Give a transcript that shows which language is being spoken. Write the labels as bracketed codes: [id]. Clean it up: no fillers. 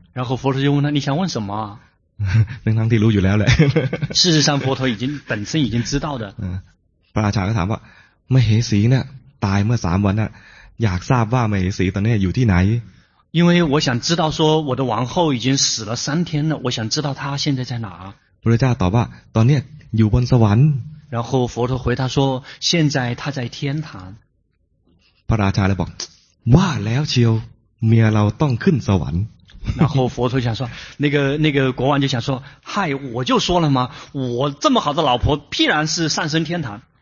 [zh] 然后佛陀就问他你想问什么 [th] นึกทั้งที่รู้อยู่แล้วแหละ [zh] 事实上佛陀已经本身已经知道的 [th] พระราชาก็ถามว่าไม่เหสีเนี่ยตายเมื่อ3วันน่ะอยากทราบว่ามเหสีตอนนี้อยู่ที่ไหน [zh] 因为我想知道说我的王后已经死了3天了我想知道她现在在哪 [th] พระเจ้าตอบว่าตอนนี้อยู่บนสวรรค์ [zh] 然后佛陀回答说现在她在天堂 [th] พระราชาเลยบอกว่าแล้วเชียวเมียเราต้องขึ้นสวรรค์ [zh] 然后佛陀想说那个国王就想说嗨我就说了嘛我这么好的老婆必然是上升天堂